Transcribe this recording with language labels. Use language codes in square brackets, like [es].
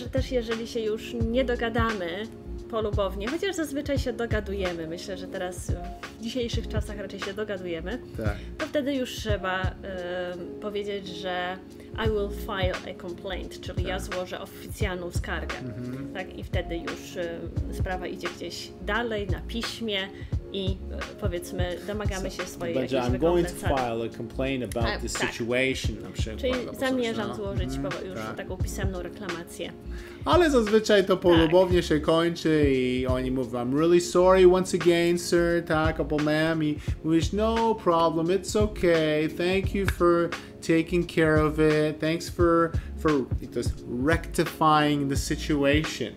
[pl] Jeżeli się już nie dogadamy polubownie, chociaż zazwyczaj się dogadujemy, myślę, że teraz w dzisiejszych czasach raczej się dogadujemy, tak, to wtedy już trzeba powiedzieć, że [en] I will file a complaint, [pl] czyli tak, ja złożę oficjalną skargę. Mhm. Tak, i wtedy już sprawa idzie gdzieś dalej, na piśmie i powiedzmy domagamy się swojej jakiejś wykonane [en] I'm going to file a complaint about the situation. [pl] Tak. Na przykład, czyli zamierzam złożyć już taką pisemną reklamację. Ale zazwyczaj to polubownie się kończy i oni mówią [en] I'm really sorry once again, sir, [pl] tak, albo [en] ma'am, [pl] i mówisz [en] no problem, it's okay, thank you for taking care of it, thanks for rectifying the situation.